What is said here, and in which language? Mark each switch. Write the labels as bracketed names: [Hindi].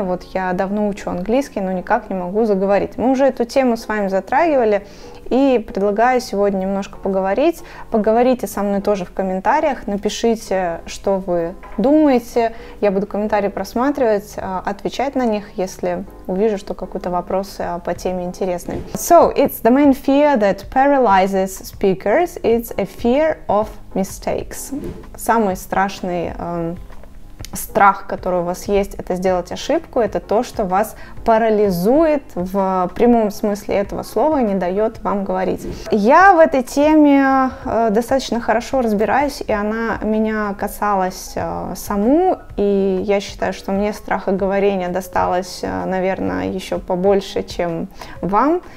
[Russian] Вот я давно учу английский, но никак не могу заговорить. Мы уже эту тему с вами затрагивали. И предлагаю сегодня немножко поговорить. Поговорите со мной тоже в комментариях. Напишите, что вы думаете. Я буду комментарии просматривать, отвечать на них, если увижу, что какой-то вопрос по теме интересный. [English] So, it's the main fear that paralyzes speakers. It's a fear of mistakes. [Russian] Самый страшный страх, который у вас есть, это сделать ошибку, это то, что вас парализует в прямом смысле этого слова и не дает вам говорить. Я в этой теме достаточно хорошо разбираюсь, и она меня касалась саму, и я считаю, что мне страха говорения досталось, наверное, еще побольше, чем вам.